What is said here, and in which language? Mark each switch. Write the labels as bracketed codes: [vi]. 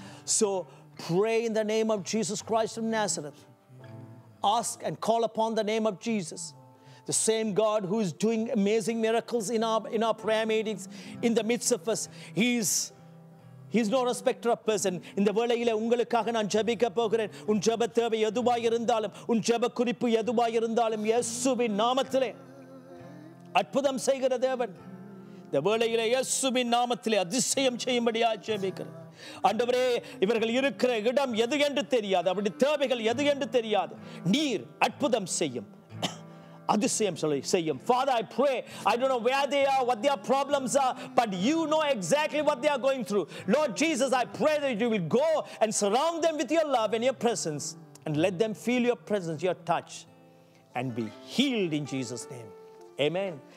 [en] So pray in the name of Jesus Christ of Nazareth. Ask and call upon the name of Jesus, the same God who is doing amazing miracles in our prayer meetings, in the midst of us. He's no respecter of person. In the world, [ta] உங்களுக்காக நான் ஜெபிக்க போகிறேன். உன் ஜெப தேவை எதுவாக இருந்தாலும், உன் ஜெப குறிப்பு எதுவாக இருந்தாலும், இயேசுவின் நாமத்திலே அற்புதம் செய்கிற தேவன். இந்த வேளையில இயேசுவின் நாமத்திலே அதிசயம் செய்யும்படியாக ஜெபிக்கிறேன். ஆண்டவரே, இவர்கள் இருக்கிற இடம் எது என்று தெரியாது, அப்படி தேவைகள் எது என்று தெரியாது. நீர் அற்புதம் செய்யும், அதிசயம் செய்யும். [en] Father, I pray. I don't know where they are, what their problems are, but you know exactly what they are going through. Lord Jesus, I pray that you will go and surround them with your love and your presence and let them feel your presence, your touch, and be healed in Jesus' name. Amen.